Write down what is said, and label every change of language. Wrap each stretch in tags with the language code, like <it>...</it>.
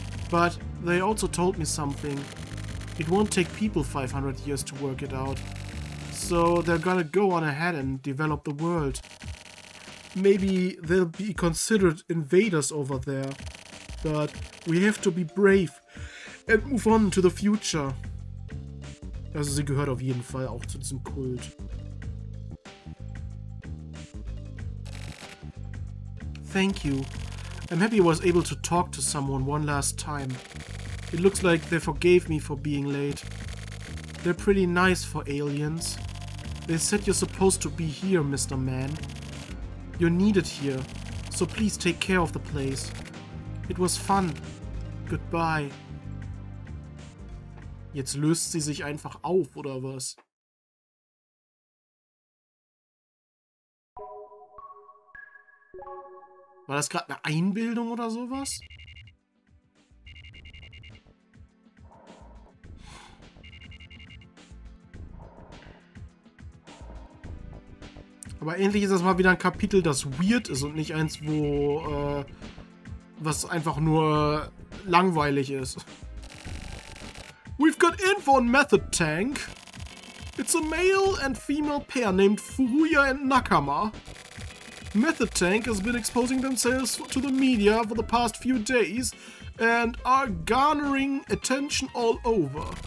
<en>But they also told me something. It won't take people 500 years to work it out. So they're gonna go on ahead and develop the world. Maybe they'll be considered invaders over there. But we have to be brave and move on to the future.</en> <de>Also sie gehört auf jeden Fall auch zu diesem Kult.</de> <en>Thank you. I'm happy I was able to talk to someone one last time. It looks like they forgave me for being late. They're pretty nice for aliens. They said you're supposed to be here, Mr. Man. You're needed here, so please take care of the place. It was fun. Goodbye.</en> <de>Jetzt löst sie sich einfach auf, oder was? War das gerade eine Einbildung oder sowas? Aber endlich ist das mal wieder ein Kapitel, das weird ist und nicht eins, wo was einfach nur langweilig ist.</de> <en>We've got info on Method Tank. It's a male and female pair named Furuya and Nakama. Method Tank has been exposing themselves to the media for the past few days and are garnering attention all over.</en>